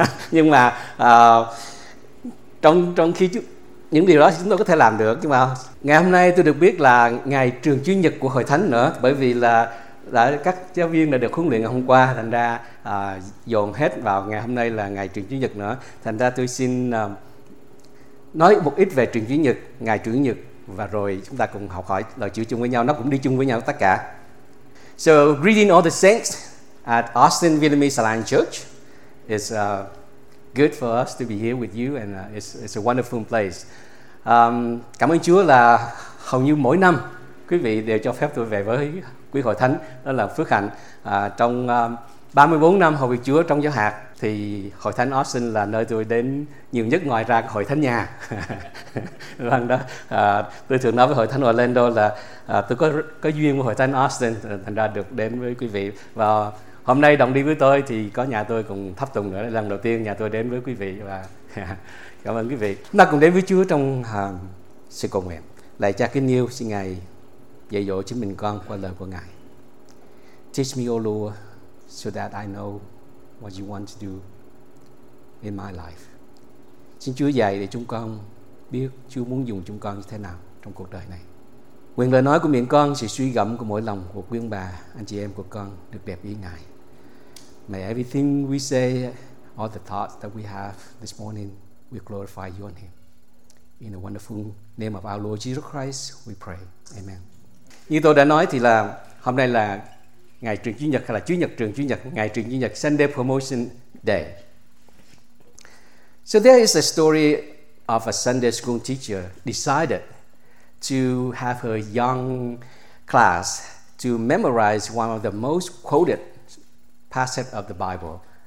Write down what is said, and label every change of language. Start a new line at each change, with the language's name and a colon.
Vietnamese: Nhưng mà trong khi những điều đó chúng tôi có thể làm được, nhưng mà ngày hôm nay tôi được biết là ngày trường chủ nhật của Hội Thánh nữa, bởi vì là các giáo viên đã được huấn luyện ngày hôm qua, thành ra dồn hết vào ngày hôm nay là ngày trường chủ nhật nữa. Thành ra tôi xin nói một ít về trường chủ nhật, ngày trường chủ nhật, và rồi chúng ta cùng học hỏi lời Chúa chung với nhau, nó cũng đi chung với nhau tất cả.
English: So greeting all the saints at Austin Vietnamese Alliance Church. It's good for us to be here with you, and it's a wonderful place.
Vietnamese: Cảm ơn Chúa là hầu như mỗi năm quý vị đều cho phép tôi về với quý Hội Thánh, đó là phước hạnh. Trong 34 năm hầu việc Chúa trong giáo hạt, thì Hội Thánh Austin là nơi tôi đến nhiều nhất ngoài ra Hội Thánh nhà. Vâng đó, tôi thường nói với Hội Thánh Orlando là tôi có duyên với Hội Thánh Austin, thành ra được đến với quý vị. Và hôm nay đồng đi với tôi thì có nhà tôi cùng thắp tùng nữa, lần đầu tiên nhà tôi đến với quý vị, và cảm ơn quý vị. Chúng ta cùng đến với Chúa trong sự cầu nguyện. Lạy Cha kính yêu, xin Ngài dạy dỗ chính mình con qua lời của Ngài.
English: Teach me, O Lord, so that I know what you want to do in my life.
Vietnamese: Xin Chúa dạy để chúng con biết Chúa muốn dùng chúng con như thế nào trong cuộc đời này. Quyền lời nói của miệng con, sự suy gẫm của mỗi lòng của quý ông bà, anh chị em của con được đẹp ý Ngài.
English: May everything we say, all the thoughts that we have this morning, we glorify you and him. In the wonderful name of our Lord Jesus Christ, we pray. Amen.
Vietnamese: Như tôi đã nói thì là hôm nay là ngày trường chủ nhật, hay là chủ nhật trường chủ nhật, ngày trường chủ nhật,
English: Sunday Promotion Day. So there is a story of a Sunday school teacher decided to have her young class to memorize one of the most quoted passage of the Bible.